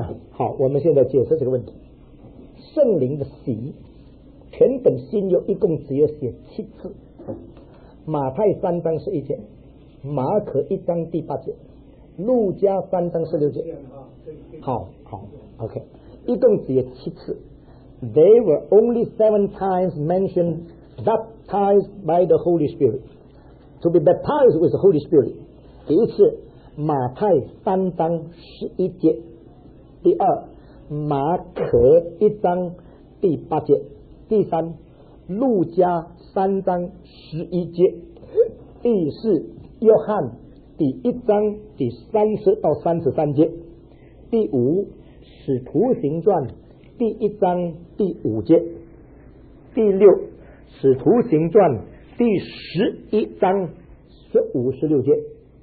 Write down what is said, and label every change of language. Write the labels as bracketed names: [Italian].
[Chinese] 好，我们现在解释这个问题。圣灵的洗，全本新约一共只有写七次，马太三章十一节，马可一章第八节，路加三章十六节。好好 ，OK， 一共只有七次。 [English] They were only seven times mentioned baptized by the Holy Spirit. To be baptized with the Holy Spirit. [Chinese] 第一次马太三章十一节，第二马可一章第八节，第三路加三章十一节，第四约翰第一章第三十到三十三节，第五使徒行传第一章第五节，第六使徒行传第十一章十五十六节。